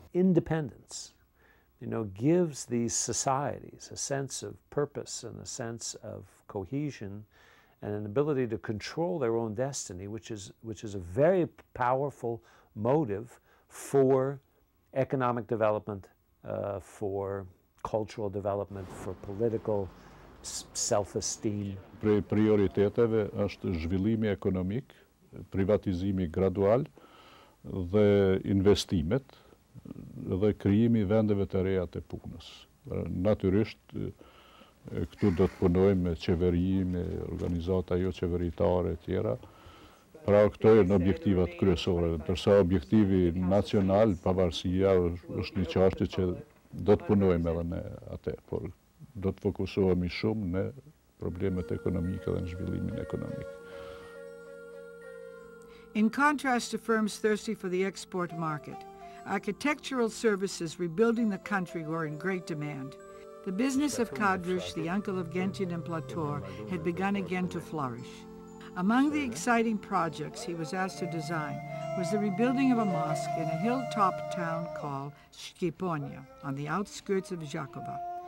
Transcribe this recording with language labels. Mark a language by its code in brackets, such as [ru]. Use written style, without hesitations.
[en] Independence, you know, gives these societies a sense of purpose and a sense of cohesion and an ability to control their own destiny, which is a very powerful motive for economic development, for cultural development, for political self-esteem. [sq] Prioriteteve është zhvillimi ekonomik, privatizimi gradual dhe investimet dhe krijimi vendeve të reja të punës. Natyrisht, këtu do të punojmë me qeverinë, organizata jo qeveritare e tjera. Pra, këto janë objektivat kryesore. Ndërsa objektivi nacional, pavarësia, është një çështje që do të punojmë edhe ne atë, por do të fokusohemi shumë në problemet ekonomike dhe në zhvillimin ekonomik. [en] In contrast to firms thirsty for the export market, architectural services rebuilding the country were in great demand. The business of Kadrush, the uncle of Gentian and Plator, had begun again to flourish. Among the exciting projects he was asked to design was the rebuilding of a mosque in a hilltop town called Skiponia, on the outskirts of Jakova.